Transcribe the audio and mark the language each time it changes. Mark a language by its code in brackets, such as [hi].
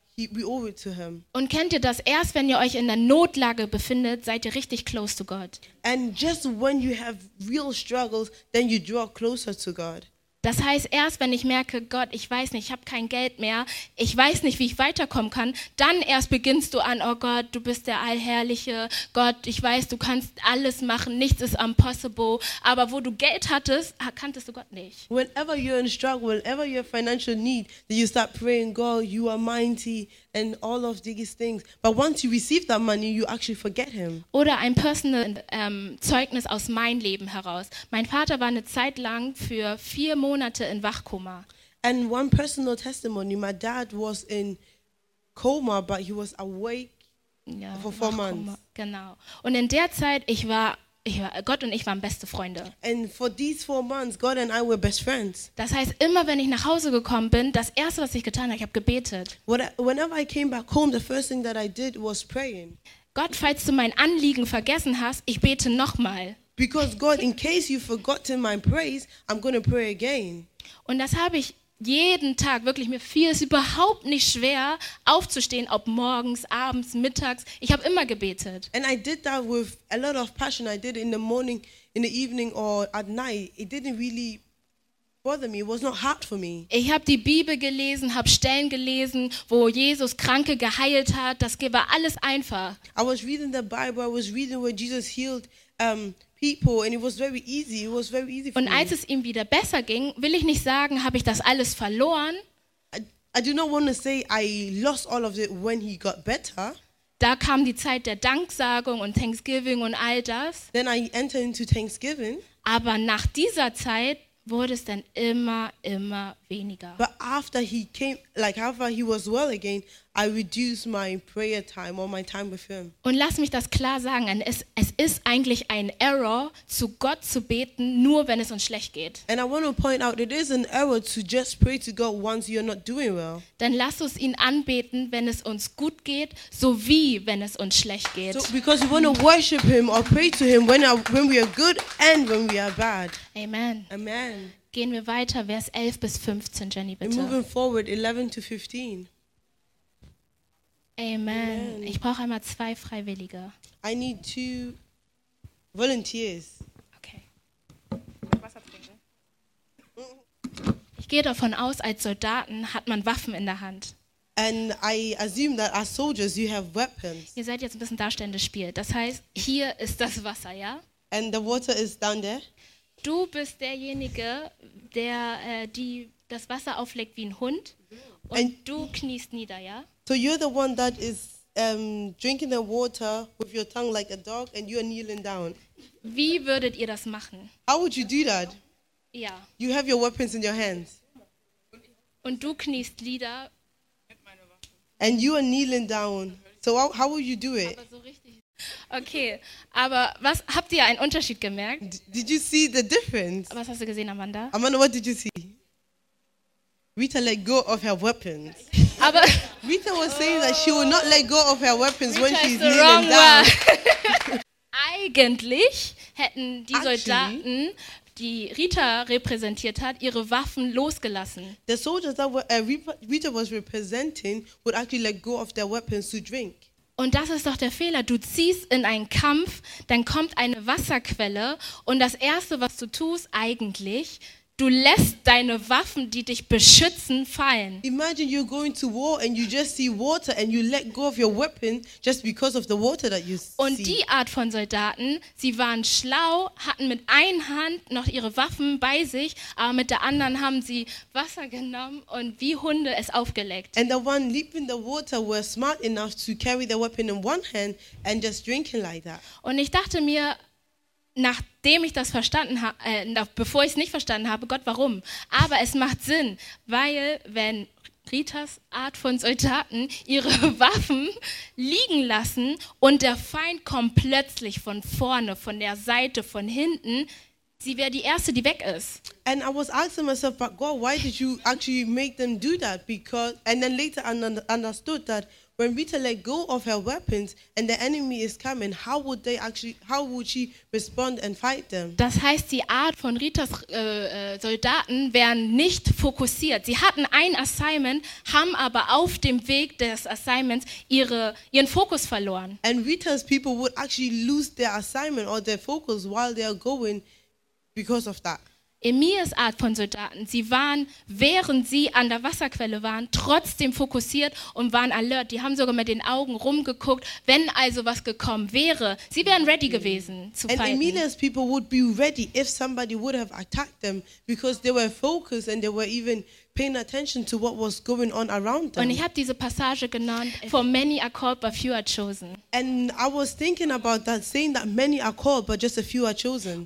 [en] We owe it to him. [de] Und kennt ihr das? Erst wenn ihr euch in der Notlage befindet, seid ihr richtig [en] close to God. And just when you have real struggles, then you draw closer to God. [de] Das heißt, erst wenn ich merke, Gott, ich weiß nicht, ich habe kein Geld mehr, ich weiß nicht, wie ich weiterkommen kann, dann erst beginnst du an, oh Gott, du bist der allherrliche Gott, ich weiß, du kannst alles machen, nichts ist impossible, aber wo du Geld hattest, kanntest du Gott nicht. [en] Whenever you're in struggle, whenever you have financial need, then you start praying, God, you are mighty and all of these things. But once you receive that money, you actually forget him. [de] Oder ein personal Zeugnis aus meinem Leben heraus. Mein Vater war eine Zeit lang für 4 Monate in Wachkoma. [en] And one personal testimony, my dad was in coma, but he was awake for 4 months. [de] Genau. Und in der Zeit, Gott und ich waren beste Freunde. [en] And for these 4 months, God and I were best friends. [de] Das heißt, immer wenn ich nach Hause gekommen bin, das erste, was ich getan habe, ich habe gebetet. [en] Whenever I came back home, the first thing that I did was praying. [de] Gott, falls du mein Anliegen vergessen hast, ich bete nochmal. [en] Because God, in case you've forgotten my praise, I'm going to pray again. [de] Und das habe ich jeden Tag, wirklich, mir fiel es überhaupt nicht schwer, aufzustehen, ob morgens, abends, mittags. Ich habe immer gebetet. [en] And I did that with a lot of passion. I did it in the morning, in the evening or at night. It didn't really bother me. It was not hard for me. [de] Ich habe die Bibel gelesen, habe Stellen gelesen, wo Jesus Kranke geheilt hat. Das war alles einfach. [en] I was reading the Bible. I was reading where Jesus healed people, and it was very easy. It was very easy for [de] Und [en] me. [de] Als es ihm wieder besser ging, will ich nicht sagen, habe ich das alles verloren. [en] I do not want to say I lost all of it when he got better. [de] Da kam die Zeit der Danksagung und Thanksgiving und all das. [en] Then I entered into Thanksgiving. [de] Aber nach dieser Zeit wurde es dann immer, immer weniger. [en] But after he came, like after he was well again, I reduced my prayer time or my time with him. [de] Und lass mich das klar sagen, es ist eigentlich ein Error, zu Gott zu beten, nur wenn es uns schlecht geht. [en] And I want to point out, it is an error to just pray to God once you're not doing well. [de] Dann lass uns ihn anbeten, wenn es uns gut geht, sowie wenn es uns schlecht geht. [en] So, because we want to worship him or pray to him when we are good and when we are bad. Amen. Amen. [de] Gehen wir weiter, Vers 11 bis 15, Jenny, bitte. [en] We're moving forward, 11 to 15. Amen. Amen. [de] Ich brauche einmal 2 Freiwillige. [en] I need 2 volunteers. Okay. [de] Ich gehe davon aus, als Soldaten hat man Waffen in der Hand. [en] And I assume that as soldiers you have weapons. [de] Ihr seid jetzt ein bisschen darstellendes Spiel. Das heißt, hier ist das Wasser, ja? [en] And the water is down there. [de] Du bist derjenige, der das Wasser auflegt wie ein Hund. Und du kniest nieder, ja? [en] So you're the one that is drinking the water with your tongue like a dog and you're kneeling down. [de] Wie würdet ihr das machen? [en] How would you do that? [de] Ja. [en] You have your weapons in your hands. [de] Und du kniest nieder. [en] And you are kneeling down. So how would you do it? [de] Okay, aber was habt ihr einen Unterschied gemerkt? [en] Did you see the difference? [de] Was hast du gesehen, Amanda? [en] Amanda, what did you see? Rita let go of her weapons. [de] Aber [en] Rita was saying that she will not let go of her weapons Rita when she's kneeling down. [de] Eigentlich hätten die Soldaten, die Rita repräsentiert hat, ihre Waffen losgelassen. [en] The soldiers that Rita was representing would actually let go of their weapons to drink. [de] Und das ist doch der Fehler. Du ziehst in einen Kampf, dann kommt eine Wasserquelle und das Erste, was du tust eigentlich, du lässt deine Waffen, die dich beschützen, fallen. [en] Imagine you're going to war and you just see water and you let go of your weapon just because of the water that you see. [de] Und die Art von Soldaten, sie waren schlau, hatten mit einer Hand noch ihre Waffen bei sich, aber mit der anderen haben sie Wasser genommen und wie Hunde es aufgeleckt. [en] And the one leaping the water were smart enough to carry the weapon in one hand and just drinking like that. [de] Und ich dachte mir, nachdem ich das verstanden habe, bevor ich es nicht verstanden habe, Gott, warum? Aber es macht Sinn, weil wenn Ritas Art von Soldaten ihre Waffen liegen lassen und der Feind kommt plötzlich von vorne, von der Seite, von hinten, sie wäre die Erste, die weg ist. [en] And I was asking myself, but God, why did you actually make them do that? Because, and then later understood that when Rita let go of her weapons and the enemy is coming, how would she respond and fight them? [de] Das heißt, die Art von Ritas Soldaten wären nicht fokussiert. Sie hatten ein Assignment, haben aber auf dem Weg des Assignments ihren Fokus verloren. And Rita's people would actually lose their assignment or their focus while they are going because of that. Emias Art von Soldaten, sie waren, während sie an der Wasserquelle waren, trotzdem fokussiert und waren alert. Die haben sogar mit den Augen rumgeguckt, wenn also was gekommen wäre. Sie wären ready gewesen zu fighten. [en] And Emias people would be ready if somebody would have attacked them, because they were focused and they were even paying attention to what was going on around them. [de] Und ich habe diese Passage genannt, [en] for many are called but few are chosen. And I was thinking about that, saying that many are called but just a few are chosen.